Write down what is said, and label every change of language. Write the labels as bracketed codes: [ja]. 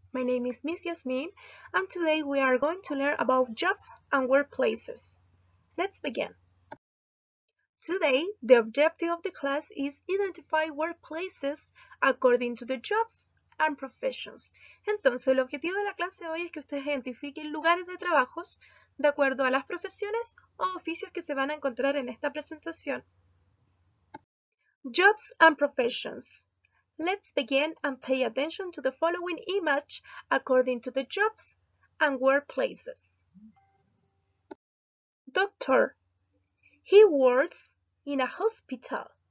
[en] My name is Miss Yasmin, and today we are going to learn about jobs and workplaces. Let's begin. Today, the objective of the class is identify workplaces according to the jobs and professions. [es] Entonces, el objetivo de la clase hoy es que ustedes identifiquen lugares de trabajos de acuerdo a las profesiones o oficios que se van a encontrar en esta presentación. [en] Jobs and professions. Let's begin and pay attention to the following image according to the jobs and workplaces. Doctor. He works in a hospital.